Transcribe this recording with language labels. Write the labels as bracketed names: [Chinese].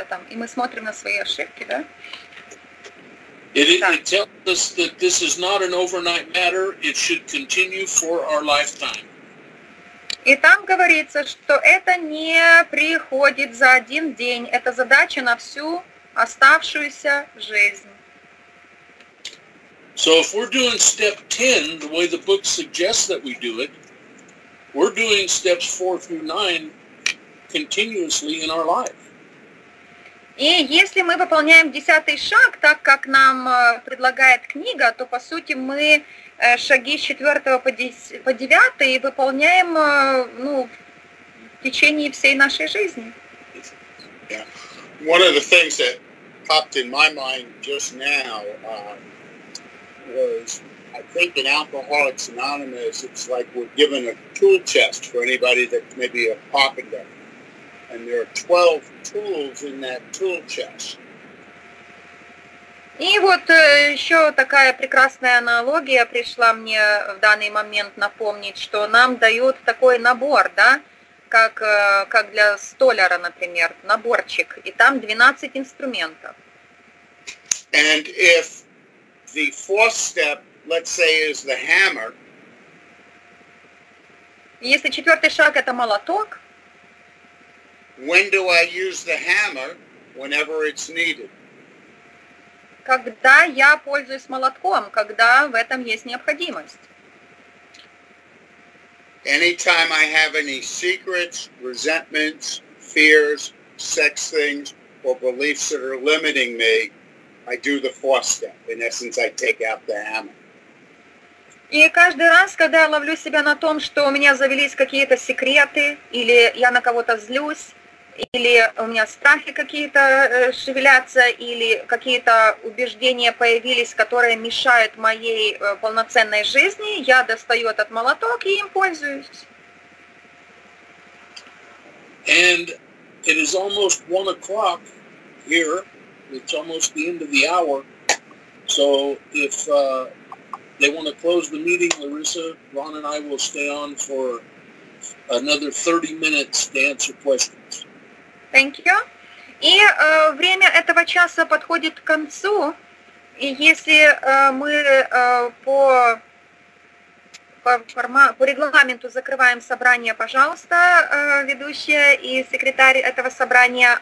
[Russian] И мы смотрим на свои ошибки, да? [English] It tells us that this is not an overnight matter, it should continue for our lifetime. [Russian] И там говорится, что это не приходит за один день, это задача на всю оставшуюся жизнь. [English] So if we're doing step 10 the way the book suggests that we do it, we're doing steps 4 through 9 continuously in our life. [Russian] И если мы выполняем 10 шаг, так как нам предлагает книга, то по сути мы шаги с 4 по 9 выполняем в течение всей нашей жизни. [English] Yeah. One of the things that popped in my mind just now was, I think in Alcoholics Anonymous, it's like we're given a tool chest for anybody that may be a pop in there. And there are 12 tools in that tool chest. [Russian] И вот еще такая прекрасная аналогия пришла мне в данный момент напомнить, что нам дают такой набор, да, как для столяра, например, наборчик, и там 12 инструментов. [English] And if the fourth step, let's say, is the hammer. [Russian] Если четвертый шаг – это молоток. [English] When do I use the hammer? Whenever it's needed. [Russian] Когда я пользуюсь молотком, когда в этом есть необходимость. [English] Anytime I have any secrets, resentments, fears, sex things, or beliefs that are limiting me, I do the fourth step. In essence, I take out the hammer. [Russian] И каждый раз, когда я ловлю себя на том, что у меня завелись какие-то секреты, или я на кого-то злюсь, или у меня страхи какие-то шевелятся, или какие-то убеждения появились, которые мешают моей полноценной жизни, я достаю этот молоток и им пользуюсь. [English] And it is almost 1 o'clock here. It's almost the end of the hour. So if they want to close the meeting, Larissa, Ron and I will stay on for another 30 minutes to answer questions. Thank you. [Russian] И время этого часа подходит к концу. И если мы по регламенту закрываем собрание, пожалуйста, ведущая и секретарь этого собрания.